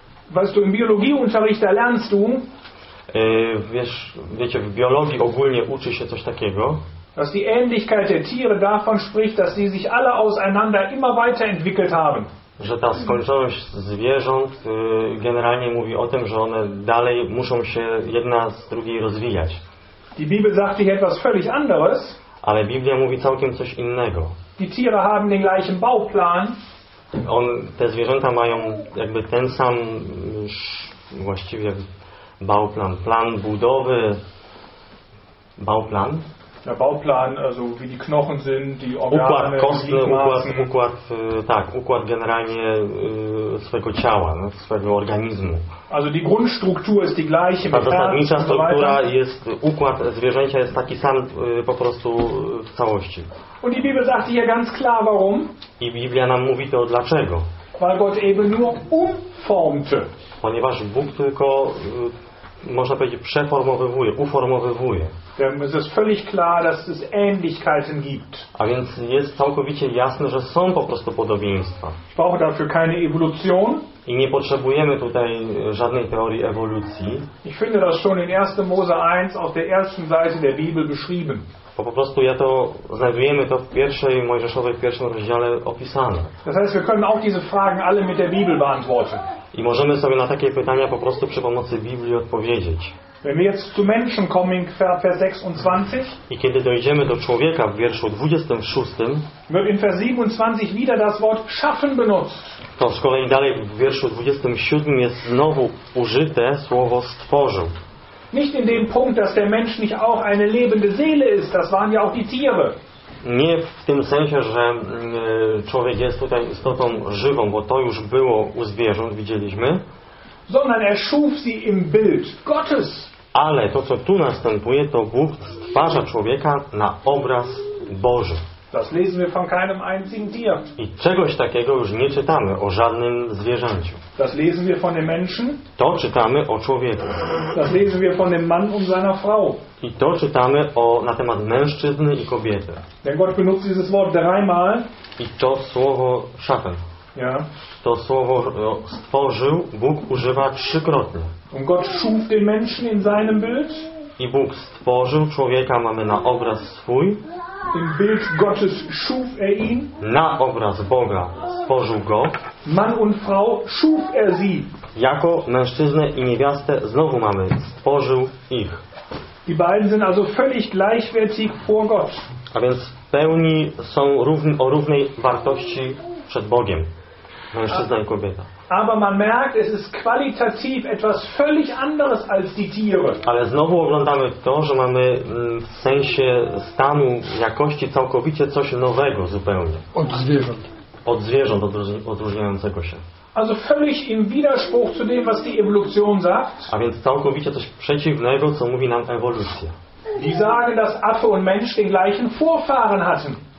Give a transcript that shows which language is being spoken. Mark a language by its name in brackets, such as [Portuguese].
[German] Weißt du, im Biologieunterricht lernst du, [Polish] wiesz, wiecie, w biologii ogólnie uczy się coś takiego, [German] dass die Ähnlichkeit der Tiere davon spricht, dass sie sich alle auseinander immer weiterentwickelt haben. [Polish] Że ta skończoność zwierząt generalnie mówi o tym, że one dalej muszą się jedna z drugiej rozwijać. [German] Die Bibel sagt hier etwas völlig anderes. [Polish] Ale Biblia mówi całkiem coś innego. [German] Die Tiere haben den gleichen Bauplan. [Polish] Te zwierzęta mają jakby ten sam właściwie Bauplan, plan budowy, Bauplan. [German] Ja, Bauplan, also wie die Knochen sind, die Organe, [Polish] układ kostny, układ, tak, układ generalnie swojego ciała, no, swojego organizmu. [German] Also die Grundstruktur ist die gleiche. [Polish] Ta zasadnicza struktura jest, układ zwierzęcia jest taki sam po prostu w całości. [German] Und die Bibel sagt hier ganz klar warum. [Polish] I Biblia nam mówi to dlaczego. [German] Weil Gott eben nur umformte. [Polish] Ponieważ Bóg tylko, można powiedzieć, przeformowywuje, uformowywuje. [German] Dann ist es völlig klar, dass es Ähnlichkeiten gibt. [Polish] A więc jest całkowicie jasne, że są po prostu podobieństwa. [German] Ich brauche dafür keine Evolution. [Polish] I nie potrzebujemy tutaj żadnej teorii ewolucji. [German] Ich finde das schon in 1. Mose 1 auf der ersten Seite der Bibel beschrieben. [Polish] Bo po prostu ja to znajdujemy to w pierwszej Mojżeszowej, w pierwszym rozdziale opisane. [German] Das heißt, wir können auch diese Fragen alle mit der Bibel beantworten. [Polish] I możemy sobie na takie pytania po prostu przy pomocy Biblii odpowiedzieć. [German] Wenn wir jetzt zu Menschen kommen, Vers 26. [Polish] I kiedy dojdziemy do człowieka w wierszu 26. [German] Wird in Vers 27 wieder das Wort schaffen benutzt. [Polish] To z kolei dalej w wierszu 27 jest znowu użyte słowo stworzył. [German] Nicht in dem Punkt, dass der Mensch nicht auch eine lebende Seele ist. Das waren ja auch die Tiere. [Polish] Nie w tym sensie, że człowiek jest tutaj istotą żywą, bo to już było u zwierząt, widzieliśmy. [German] Sondern er schuf sie im Bild Gottes. [Polish] Ale to, co tu następuje, to Bóg stwarza człowieka na obraz Boży. [German] Das lesen wir von keinem einzigen Tier. [Polish] I czegoś takiego już nie czytamy o żadnym zwierzęciu. [German] Das lesen wir von dem Menschen. [Polish] To czytamy o człowieku. [German] Das lesen wir von dem Mann und seiner Frau. [Polish] I to czytamy na temat mężczyzny i kobiety. [German] Denn Gott benutzt dieses Wort dreimal. [Polish] I to słowo schaffen. [German] Ja. [Polish] To słowo stworzył, Bóg używa trzykrotnie. [German] Und Gott schuf den Menschen in seinem Bild. [Polish] I Bóg stworzył człowieka, mamy na obraz swój. [German] Im Bild Gottes schuf ihn. [Polish] Na obraz Boga stworzył go. [German] Mann und Frau schuf sie. [Polish] Jako mężczyznę i niewiastę znowu mamy stworzył ich. [German] Die beiden sind also völlig gleichwertig vor Gott. [Polish] A więc w pełni są o równej wartości przed Bogiem. Mężczyzna i kobieta. [German] Aber man merkt, es ist qualitativ etwas völlig anderes als die Tiere. [Polish] Ale znowu oglądamy to, że mamy w sensie stanu jakości całkowicie coś nowego zupełnie. Od zwierząt. Od zwierząt odróżniającego się. [German] Also völlig im Widerspruch zu dem, was die Evolution sagt. [Polish] A więc całkowicie coś przeciwnego, co mówi nam ewolucja. [German] Die sagen, dass Affe und Mensch den gleichen Vorfahren hatten.